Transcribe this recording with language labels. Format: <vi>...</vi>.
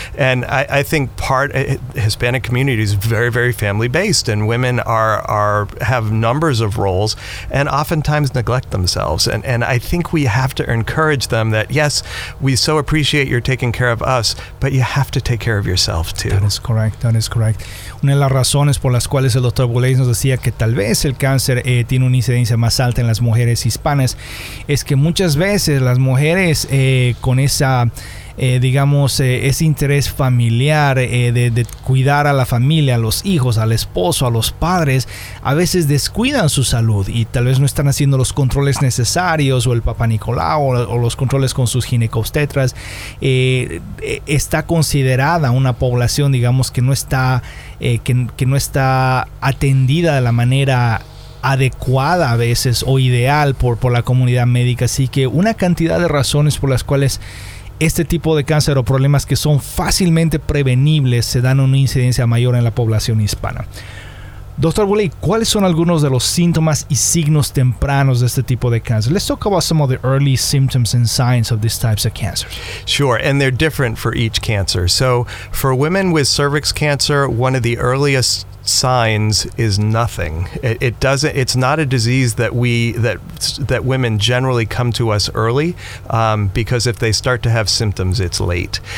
<en>And I think part Hispanic community is very, very family based, and women are have numbers of roles and oftentimes neglect themselves. And I think we have to encourage them that, yes, we so appreciate you're taking care of us, but you have to take care of yourself too. That is correct.</en> <es>Una de las razones por las cuales el doctor Boulay nos decía que tal vez el cáncer tiene una incidencia más alta en las mujeres hispanas es que muchas veces las mujeres con esa ese interés familiar de cuidar a la familia, a los hijos, al esposo, a los padres, a veces descuidan su salud y tal vez no están haciendo los controles necesarios, o el Papa Nicolau o los controles con sus ginecobstetras. Está considerada una población, digamos, que no está atendida de la manera adecuada a veces o ideal por la comunidad médica. Así que una cantidad de razones por las cuales este tipo de cáncer o problemas que son fácilmente prevenibles se dan una incidencia mayor en la población hispana. Dr. Boulay, ¿cuáles son algunos de los síntomas y signos tempranos de este tipo de cáncer?</es> <en>Let's talk about some of the early symptoms and signs of these types of cancers. Sure, and they're different for each cancer. So for women with cervix cancer, one of the earliest signs is nothing. It doesn't. It's not a disease that we that women generally come to us early, because if they start to have symptoms, it's late.</en>